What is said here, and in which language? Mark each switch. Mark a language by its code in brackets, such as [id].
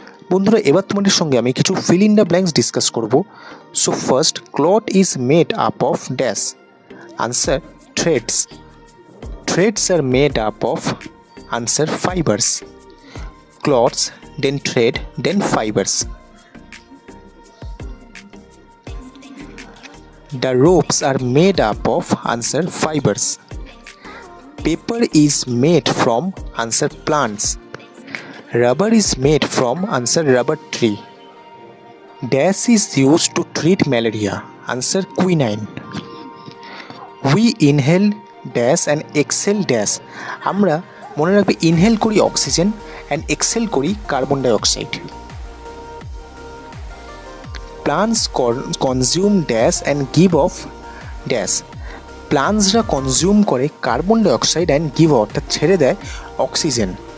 [bn] বন্ধুরা এবার তোমাদের সঙ্গে আমি কিছু fill in the blanks discuss করব. [en] So first, cloth is made up of dash. Answer, threads. Threads are made up of, answer, fibres. Cloths, then thread, then fibers. The ropes are made up of, answer, fibers. Paper is made from, answer, plants. Rubber is made from, answer, rubber tree. Dash is used to treat malaria, answer, quinine. We inhale dash and exhale dash. [bn] Amra মনে রাখবে inhale করি oxygen and Excel করি carbon dioxide. [en] plants consume dash and give off dash, [bn] প্লান্টসরা consume করে carbon dioxide and give of, অর্থাৎ ছেড়ে দেয় oxygen.